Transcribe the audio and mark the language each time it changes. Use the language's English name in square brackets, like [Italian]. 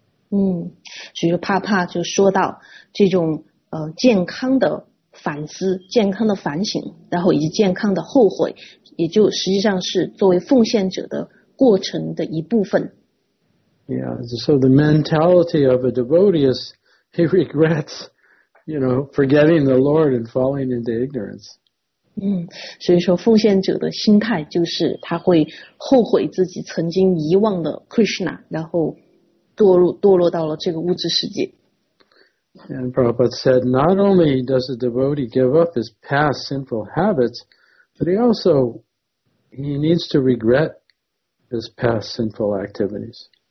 [Chinese] 所以Prabhupada就说到这种健康的反思、健康的反省，然后以及健康的后悔，也就实际上是作为奉献者的过程的一部分。 [English] Yeah, so the mentality of a devotee is he regrets, you know, forgetting the Lord and falling into ignorance. [Chinese] 所以说奉献者的心态就是他会后悔自己曾经遗忘了 Krishna, 然后堕落到了这个物质世界。 [English] And Prabhupada said, not only does a devotee give up his past sinful habits, but he needs to regret his past sinful activities.